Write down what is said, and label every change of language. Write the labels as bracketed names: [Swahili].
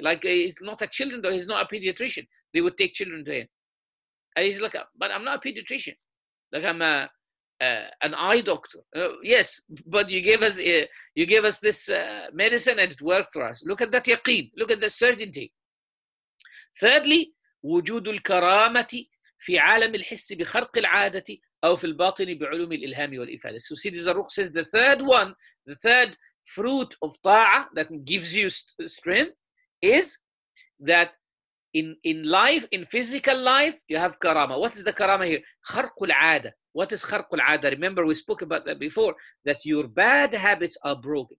[English] Like, he's not a children, though, he's not a pediatrician. They would take children to him. And he's like, but I'm not a pediatrician. Like, I'm an eye doctor. Yes, but you gave us this medicine and it worked for us. Look at that yaqeen, look at the certainty. Thirdly, [Arabic] وجود الكرامة في عالم الحس بخرق العادة أو في الباطن بعلوم الإلهام والإفادة. [English] So Sidi Zarruq says the third one, the third fruit of ta'a that gives you strength is that in life, in physical life, you have karama. What is the karama here? خرق العادة. What is خرق العادة? Remember, we spoke about that before, that your bad habits are broken.